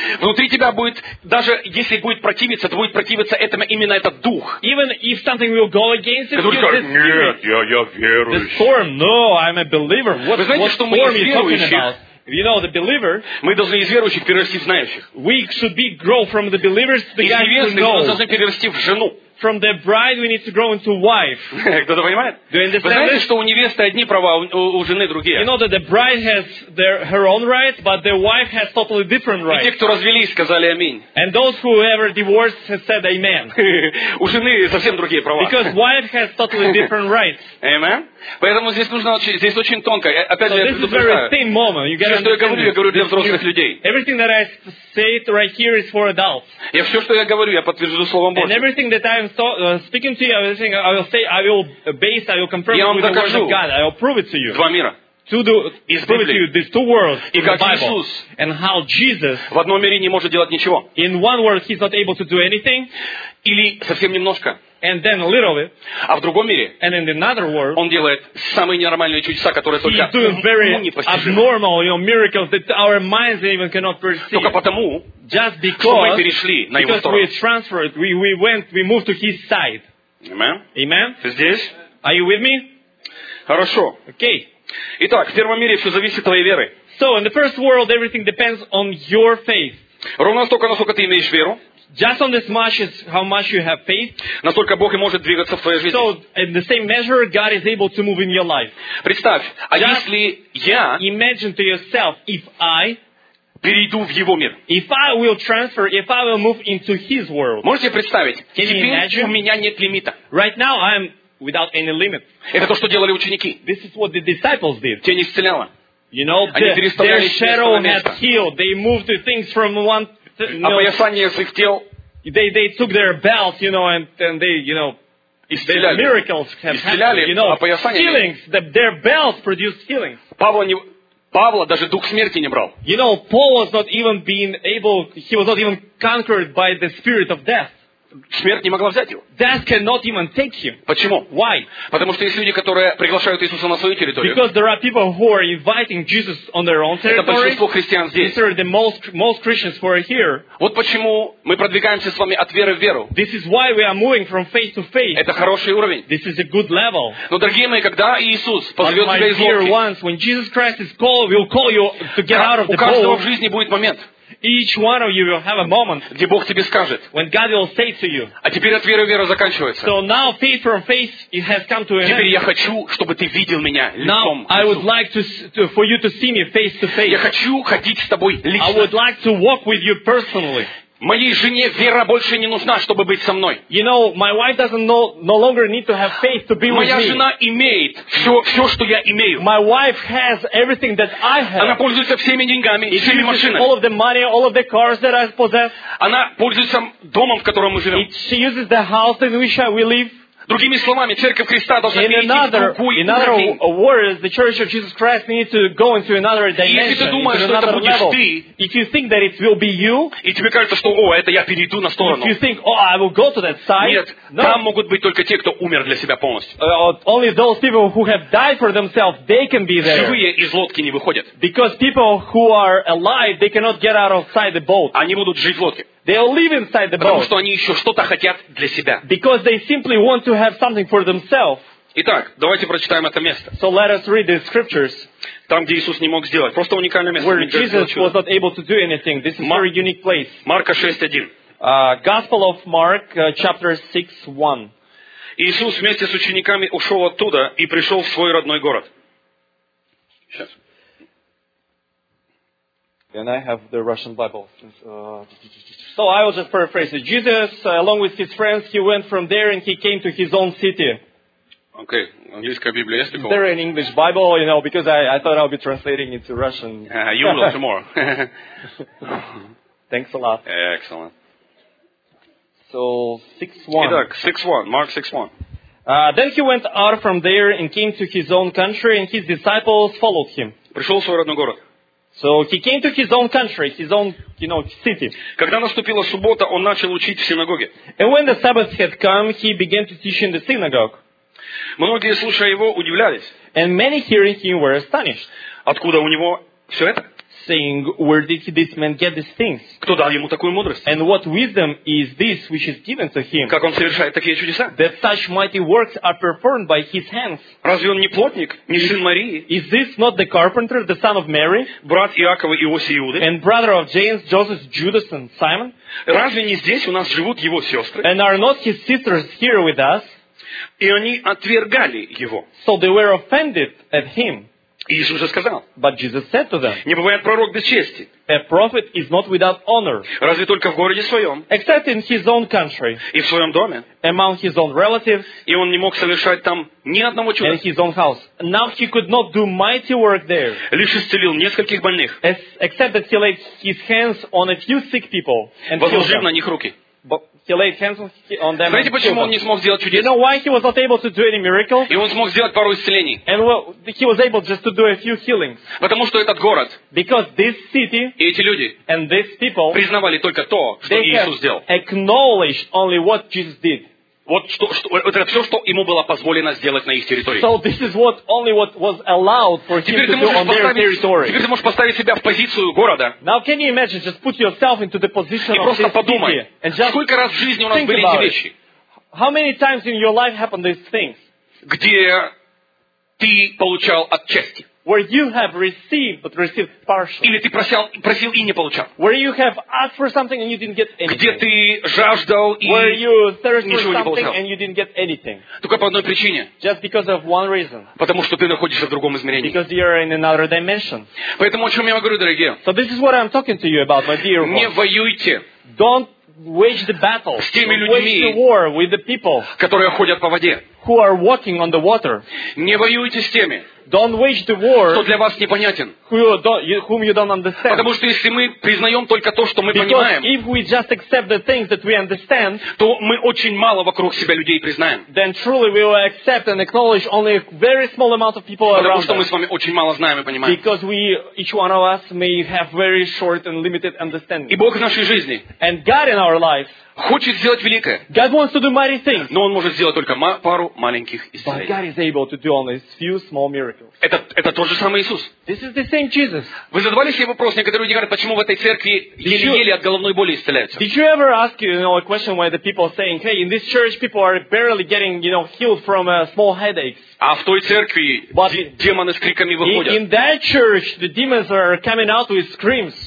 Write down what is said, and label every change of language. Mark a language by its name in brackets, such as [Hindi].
[Russian] внутри тебя будет, даже если будет противиться, то будет противиться этому, именно этот дух. [English] Even if something will go against it, you'll say, [Russian] нет, [English] spirit, [Russian] я верующий. [English] This form, no, I'm a believer. What, [Russian] Вы знаете, [English] what [Russian] что [English] form [Russian] мы верующие? [English] You know, the believer, [Russian] мы должны из верующих перерасти в знающих. [English] We should be grow from the believers to the guys who know. [Russian] Мы должны перерасти в жену. [English] From the bride we need to grow into wife. [Russian] Кто-то понимает? [English] Do you understand? [Russian] Вы знаете, что у невесты одни права, у жены другие. [English] You know that the bride has her own rights, but the wife has totally different rights. [Russian] И те, кто развелись, сказали аминь. [English] And those who ever divorced have said amen. [Russian] У жены совсем другие права. [English] Because wife has totally different rights. Amen. [Russian] Поэтому здесь нужно здесь очень тонко. Опять же, [English] this is a very thin moment. You get [Russian] что я говорю для взрослых людей. [English] Everything that I say right here is for adults. [Russian] Я все, что я говорю, я подтверждаю словом Божьим. [English] And everything that I'm speaking to you, everything I will say, I will base, I will confirm it with [Russian] докажу. [English] The word of God. I will prove it to you. [Russian] Два мира. [English] To prove it to you, these two worlds, [Russian] и [English] the Bible, [Russian] Иисус, [English] and how Jesus [Russian] в одном мире не может делать ничего. [English] In one world, he's not able to do anything. [Russian] Или совсем немножко. [English] And then a little bit. [Russian] А в другом мире [English] and in another world, [Russian] он делает самые ненормальные чудеса, которые только [English] he's doing very abnormal, you know, miracles that our minds even cannot perceive. [Russian] Только потому, [English] just because, [Russian] что мы перешли на его сторону. [English] We transferred, we moved to his side. Amen. Amen. [Russian] Здесь. [English] Are you with me? [Russian] Хорошо. [English] Okay. [Russian] Итак, в первом мире все зависит от твоей веры. [English] So in the first world, everything depends on your faith. [Russian] Ровно столько, насколько ты имеешь веру. [English] Just on this much is how much you have faith. [Russian] Насколько Бог и может двигаться в твоей жизни. [English] So in the same measure, God is able to move in your life. [Russian] Представь, а если я [English] imagine to yourself if I [Russian] перейду в его мир. [English] If I will transfer, if I will move into his world. [Russian] Можете представить? [English] Can you imagine? [Russian] У меня нет лимита. [English] Right now I'm without any limit. [Russian] Это то, что делали ученики. [English] This is what the disciples did. [Russian] Тень исцеляла. [English] You know, their shadow had healed. They moved things from one. [Russian] А поясание своих тел. [English] They took their belts, you know, and they, you know, [Russian] исцеляли. [English] Miracles have [Russian] исцеляли, [English] you know, [Russian] а поясание. [English] Healings, their belts produced healings. [Russian] Павла даже дух смерти не брал. [English] You know, Paul was not even being able. He was not even conquered by the spirit of death. [Russian] Смерть не могла взять его. [English] Death cannot even take him. [Russian] Почему? [English] Why? [Russian] Потому что есть люди, которые приглашают Иисуса на свою территорию. [English] Because there are people who are inviting Jesus on their own territory. [Russian] Это большинство христиан здесь. [English] These are the most Christians who are here. [Russian] Вот почему мы продвигаемся с вами от веры в веру. [English] This is why we are moving from faith to faith. [Russian] Это хороший уровень. [English] This is a good level. [Russian] Но дорогие мои, когда Иисус позовет тебя из лодки, [English] when Jesus Christ is called, will call you to get out of the boat. [Russian] У каждого в жизни будет момент. [English] Each one of you will have a moment [Russian] скажет, [English] when God will say to you. [Russian] А теперь от веры в веру заканчивается. [English] So now faith from faith it has come to an end. [Russian] Теперь я хочу, чтобы ты видел меня лицом. [English] Now I would like to for you to see me face to face. [Russian] Я хочу ходить с тобой лично. [English] I would like to walk with you personally. [Russian] Моей жене вера больше не нужна, чтобы быть со мной. [English] You know, my wife doesn't no longer need to have faith to be [Russian] Моя [English] with me. [Russian] Моя жена имеет все, что я имею. [English] My wife has everything that I have. [Russian] Она пользуется всеми деньгами, [English] It [Russian] всеми машинами. [English] All of the money, all of the cars that I possess. [Russian] Она пользуется домом, в котором мы живем. [English] She uses the house in which we live. [Russian] Другими словами, Церковь Христа должна перейти [English] In other words, the Church of Jesus Christ needs to go into another dimension. [Russian] Если ты думаешь, что это будешь [English] level, [Russian] ты, [English] if you think that it will be you, [Russian] и тебе кажется, что, о, это я перейду на сторону, [English] if you think, oh, I will go to that side, [Russian] нет, [English] no. [Russian] Там могут быть только те, кто умер для себя полностью. [English] Only those people who have died for themselves, they can be there. [Russian] Живые из лодки не выходят. [English] Because people who are alive, they cannot get out of sight the boat. [Russian] Они будут жить в лодке. [English] They'll live inside the boat. [Russian] Потому что они еще что-то хотят для себя. [English] Because they simply want to have something for themselves. [Russian] Итак, давайте прочитаем это место. [English] So let us read the scriptures. [Russian] Там, где Иисус не мог сделать. Просто уникальное место. [English] Where Jesus was not able to do anything. This is a very unique place. [Russian] Марка 6:1. [English] Gospel of Mark, chapter 6:1. [Russian] Иисус вместе с учениками ушел оттуда и пришел в свой родной город. Сейчас. [English] And I have the Russian Bible. So I will just paraphrase it. Jesus, along with his friends, he went from there and he came to his own city. [Russian] Okay, английская Библия есть такое? [English] Is there an English Bible, you know, because I thought I'll be translating into Russian. You will tomorrow. Thanks a lot. Excellent. So, 6-1. [Russian] Итак, 6-1, Mark 6-1. [English] Then he went out from there and came to his own country, and his disciples followed him. [Russian] Пришел в свой родной город. [English] So he came to his own country, his own, you know, city. [Russian] Когда наступила суббота, он начал учить в синагоге. [English] And when the Sabbath had come, he began to teach in the synagogue. [Russian] Многие, слушая его, удивлялись. [English] And many hearing him were astonished. [Russian] Откуда у него все это? [English] Saying, where did this man get these things? [Russian] Кто дал ему такую мудрость? [English] And what wisdom is this which is given to him? [Russian] Как он совершает такие чудеса? [English] That such mighty works are performed by his hands. [Russian] Разве он не плотник, не сын Марии? [English] Is this not the carpenter, the son of Mary? [Russian] Брат Иакова и Иосифа Иуды? [English] And brother of James, Joseph, Judas and Simon? [Russian] Разве не здесь у нас живут его сестры? [English] And are not his sisters here with us? [Russian] И они отвергали его. [English] So they were offended at him. [Russian] Иисус же сказал, [English] but Jesus said to them, [Russian] не бывает пророк без чести. [English] A prophet is not without honor. [Russian] Разве только в городе своем? [English] Except in his own country. [Russian] И в своем доме? [English] Among his own relatives. [Russian] И он не мог совершать там ни одного чуда. [English] And his own house. Now he could not do mighty work there. [Russian] Лишь исцелил нескольких больных. [English] Except that he laid his hands on a few sick people. And [Russian] возложив на них руки. [English] He laid hands on them. [Russian] Знаете, почему он не смог сделать чудес? [English] You know why he was not able to do any miracles? [Russian] И он смог сделать пару исцелений. [English] And he was able just to do a few healings. [Russian] Потому что этот город. [English] Because this city. [Russian] И эти люди. [English] And these people. [Russian] Признавали только то, что Иисус сделал. [English] They acknowledged only what Jesus did. [Russian] Вот что это все, что ему было позволено сделать на их территории. [English] So this is what only what was allowed for him to do on their territory. [Russian] Теперь ты можешь поставить себя в позицию города. [English] Now can you imagine, just put yourself into the position of this city. [Russian] И просто подумай, сколько раз в жизни у нас были эти вещи. [English] How many times in your life happened these things? [Russian] Где ты получал отчасти? [English] Where you have received, but received partially. [Russian] Или ты просил и не получал. [English] Where you have asked for something and you didn't get anything. [Russian] Где ты жаждал и [English] where you thirsted for something and you didn't get anything. [Russian] Только по одной причине. [English] Just because of one reason. [Russian] Потому что ты находишься в другом измерении. [English] Because you are in another dimension. [Russian] Поэтому о чем я говорю, дорогие. [English] So this is what I'm talking to you about, my dear ones. [Russian] Не воюйте. [English] Don't wage the battle. [Russian] С теми людьми. [English] Wage the war with the people. [Russian] Которые ходят по воде. [English] Who are walking on the water. [Russian] Не воюйте с теми. [English] Don't wage the war. [Russian] Что для вас непонятен? [English] Whom you don't understand? [Russian] Потому что если мы признаем только то, что мы [English] because [Russian] понимаем, [English] if we just accept the things that we understand, [Russian] то мы очень мало вокруг себя людей признаем. [English] Then truly we will accept and acknowledge only a very small amount of people [Russian] потому [English] around. [Russian] Потому что мы с вами очень мало знаем и понимаем. [English] Because we each one of us may have very short and limited understanding. [Russian] И Бог в нашей жизни. [English] And God in our life. [Russian] Хочет сделать великое. [English] God wants to do mighty things. [Russian] Но он может сделать только пару маленьких исцелений. [English] But God is able to do only a few small miracles. [Russian] Это тот же самый Иисус. [English] This is the same Jesus. [Russian] Вы задавали себе вопрос, некоторые люди говорят, почему в этой церкви еле-еле от головной боли исцеляются? [English] Did you ever ask you know a question why the people are saying, hey, in this church people are barely getting you know healed from small headaches? [Russian] А в той церкви демоны с криками выходят. [English] In that church the demons are coming out with screams.